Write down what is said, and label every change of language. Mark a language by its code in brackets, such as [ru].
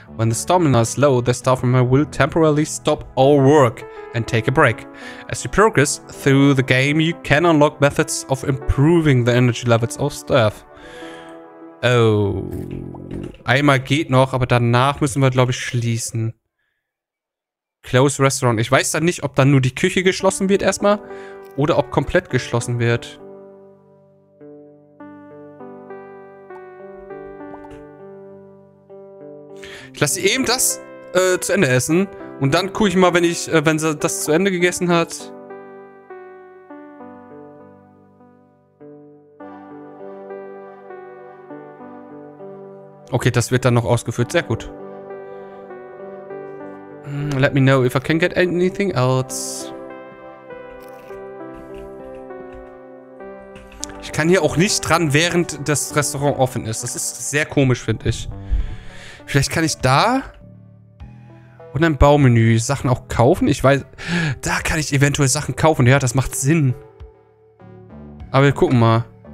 [en] When the stamina is low, the staff member will temporarily stop all work and take a break. As you progress through the game, you can unlock methods of improving the energy levels of staff. Oh. [de] Einmal geht noch, aber danach müssen wir, glaube ich, schließen. [en] Close restaurant. [de] Ich weiß dann nicht, ob dann nur die Küche geschlossen wird erstmal oder ob komplett geschlossen wird. Ich lasse eben das zu Ende essen und dann gucke ich mal, wenn ich wenn sie das zu Ende gegessen hat. Okay, das wird dann noch ausgeführt. Sehr gut. [en] Let me know if I can get anything else. [de] Ich kann hier auch nicht dran, während das Restaurant offen ist. Das ist sehr komisch, finde ich. Vielleicht kann ich da und ein Baumenü Sachen auch kaufen. Ich weiß, da kann ich eventuell Sachen kaufen. Ja, das macht Sinn. Aber wir gucken mal.